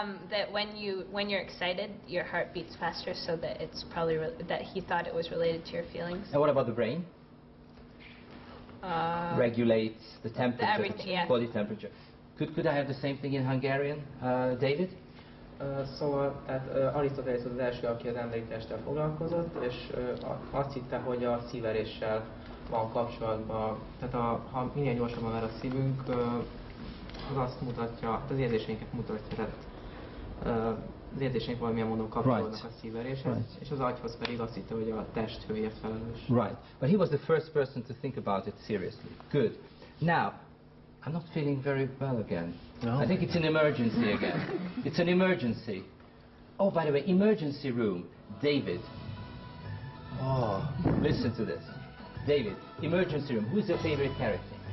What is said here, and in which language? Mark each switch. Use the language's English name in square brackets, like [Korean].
[English] That when you're excited, your heart beats faster, so that it's probably that he thought it was related to your feelings. And what about the brain? Regulates the temperature, the body temperature. Could I have the same thing in Hungarian, David? [Hungarian] Szóval, tehát Arisztotelész az első, aki az emléktesttel foglalkozott, és azt hitte, hogy a szíveréssel van kapcsolatban. Tehát ha minél gyorsabban van a szívünk, az azt mutatja, az érzéseinket mutatja, tehát az érzéseink valamilyen módon kapcsolódnak a szíveréshez, és az agyhoz pedig azt hitte, hogy a test hője felelős. [English] Right. But he was the first person to think about it seriously. Good. Now, I'm not feeling very well again. No. I think it's an emergency again. It's an emergency. Oh, by the way, emergency room. David. Oh. Listen to this. David, emergency room. Who's your favorite character?